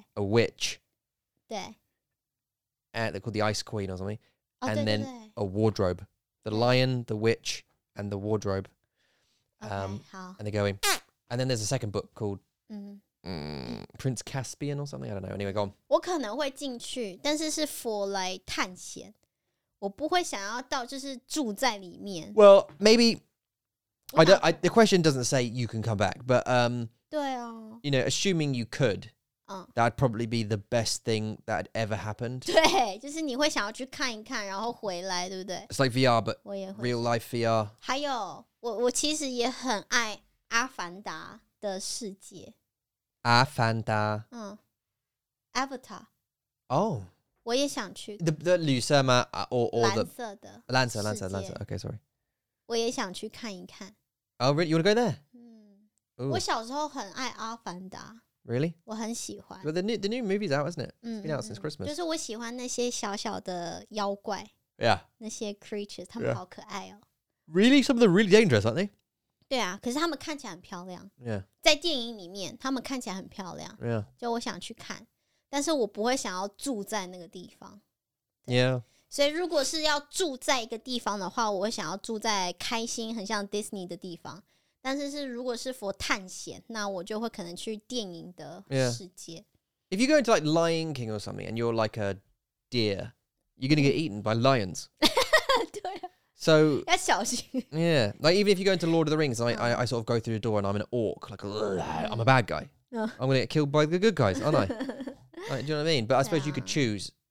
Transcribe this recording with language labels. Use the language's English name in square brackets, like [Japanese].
[English] a witch, [Chinese] 对 [English] and they're called the Ice Queen or something,、 oh, and [Chinese] 对 [English] then [Chinese] 对对 [English] a wardrobe, the lion, the witch, and the wardrobe, okay, 好 and they're going, and then there's a second book called、mm-hmm. Prince Caspian or something, I don't know, anyway, go on. [Chinese] 我可能会进去，但是是 for 来探险，我不会想要到就是住在里面。 [English] Well, maybe, I the question doesn't say you can come back, but, [Chinese] 对哦 [English] You know, assuming you could,、嗯、that'd probably be the best thing that ever happened. [Chinese] 对，就是你会想要去看一看，然后回来，对不对 [English] ？It's like VR, but real life VR. [Chinese] 还有，我其实也很爱《阿凡达》的世界。阿凡达。 [English] 嗯。Avatar. Oh. [Chinese] 我也想去。 [English] The [Chinese] 绿色吗 [English] ？Or the [Chinese] 蓝色的。蓝色。 [English] Okay, sorry. [Chinese] 我也想去看一看。 [English] Oh, really? You want to go there? [Chinese] Ooh. 我小时候很爱阿凡达 [English] Really? [Chinese] 我很喜欢 [English] But the new movie's out, isn't it? It's been out since Christmas [Chinese] 就是我喜欢那些小小的妖怪 [English] Yeah [Chinese] 那些 creatures 他们、yeah. 好可爱哦 [English] Really? Some of them are really dangerous, aren't they? [Chinese] 对啊可是他们看起来很漂亮 [English] Yeah [Chinese] 在电影里面他们看起来很漂亮 [English] Yeah [Chinese] 就我想去看但是我不会想要住在那个地方 [English] Yeah [Chinese] 所以如果是要住在一个地方的话我会想要住在开心很像 Disney 的地方但是是如果是 for 探险，那我就会可能去电影的世界。 [English] Yeah. If you go into like Lion King or something, and you're like a deer, you're gonna get eaten by lions. [Chinese] 对啊。 [English] So [Chinese] 要小心。 [English] Yeah, like even if you go into Lord of the Rings, I sort of go through the door and I'm an orc, like I'm a bad guy. I'm gonna get killed by the good guys, aren't I? Like, do you know what I mean? But I suppose you could choose.